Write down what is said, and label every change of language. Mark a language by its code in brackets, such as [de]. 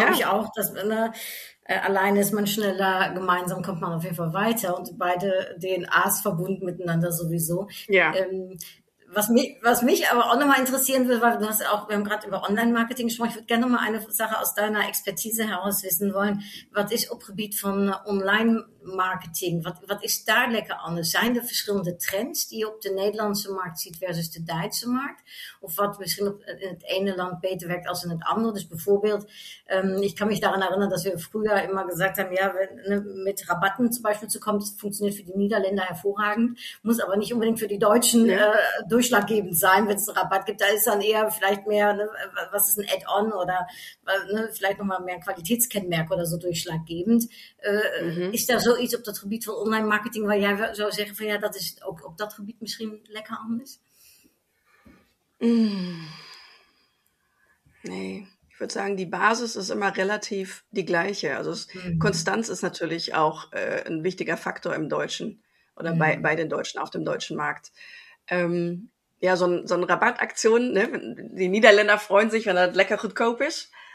[de] Ich auch, dass ne, alleine ist man schneller, gemeinsam kommt man auf jeden Fall weiter und beide DNAs verbunden miteinander sowieso. Ja. Was mich aber auch nochmal interessieren würde, weil wir haben gerade über Online-Marketing gesprochen, ich würde gerne nochmal eine Sache aus deiner Expertise heraus wissen wollen. Was ist auf Gebiet von Online-Marketing? Was ist da lecker anders? [nl] Zijn er verschillende Trends, die je op de Nederlandse Markt ziet versus de Duitse Markt? Of wat misschien in het ene Land beter werkt als in het andere? Dus bijvoorbeeld, [de] ich kann mich daran erinnern, dass wir früher immer gesagt haben, ja, mit Rabatten zum Beispiel zu kommen, das funktioniert für die Niederländer hervorragend, muss aber nicht unbedingt für die Deutschen durchschlaggebend sein, wenn es einen Rabatt gibt. Da ist dann eher vielleicht mehr, ne, was ist ein Add-on oder vielleicht nochmal mehr ein Qualitätskennmerk oder so durchschlaggebend. [nl] Ist da so iets op dat gebied van online marketing waar jij zou zeggen van ja, dat is ook op dat gebied misschien lekker anders? [de] Nee, ich würde sagen, die Basis ist immer relativ die gleiche. Also Konstanz ist natürlich auch ein wichtiger Faktor im Deutschen oder bei den Deutschen auf dem deutschen Markt. So ein Rabattaktion, ne? Die Niederländer freuen sich, wenn das lecker [nl] goedkoop [de] ist.